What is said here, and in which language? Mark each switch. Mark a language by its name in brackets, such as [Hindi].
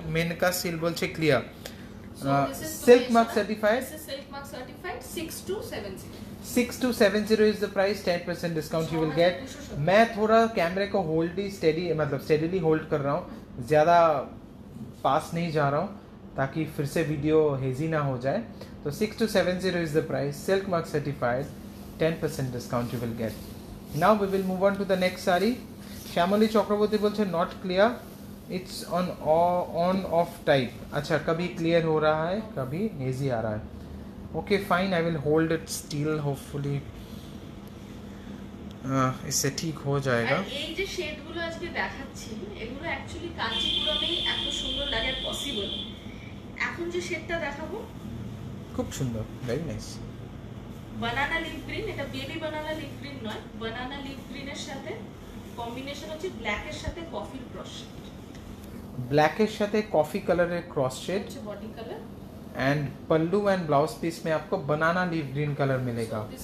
[English] Menka Seal bolche clear. Silk mark certified. This is silk mark certified. 6270. 6270 is the price. 10% discount you will get. [Hindi] मैं थोड़ा कैमरे को hold ही steady मतलब steadily hold कर रहा हूँ, ज़्यादा पास नहीं जा रहा हूँ ताकि फिर से वीडियो हेजी ना हो जाए. [English] तो 6270 is the price. Silk mark certified. 10% discount you will get. Now we will move on to the next saree. [Bangla] श्यामली चक्रवर्ती बोलते not clear. [English] It's on off type. [Hindi] अच्छा कभी clear हो रहा है कभी hazy आ रहा है. [English] okay fine I will hold it still [Hindi] hopefully इससे ठीक हो जाएगा. [Bangla] এই যে শেডগুলো আজকে দেখাচ্ছি এগুলো অ্যাকচুয়ালি কাঞ্চিপুরমেই এত সুন্দর লাগে পসিবল. এখন যে শেডটা দেখাবো খুব সুন্দর, [English] Very nice. [Bangla] বানানা লিফ গ্রিন, এটা বেবি বানানা লিফ গ্রিন নয়, বানানা লিফ গ্রিনের সাথে কম্বিনেশন হচ্ছে ব্ল্যাক এর সাথে কফি ক্রস শেড. ব্ল্যাক এর সাথে কফি কালারের ক্রস শেড হচ্ছে body colour. [Hindi] And pallu and blouse piece में आपको बनाना लीफ ग्रीन कलर मिलेगा.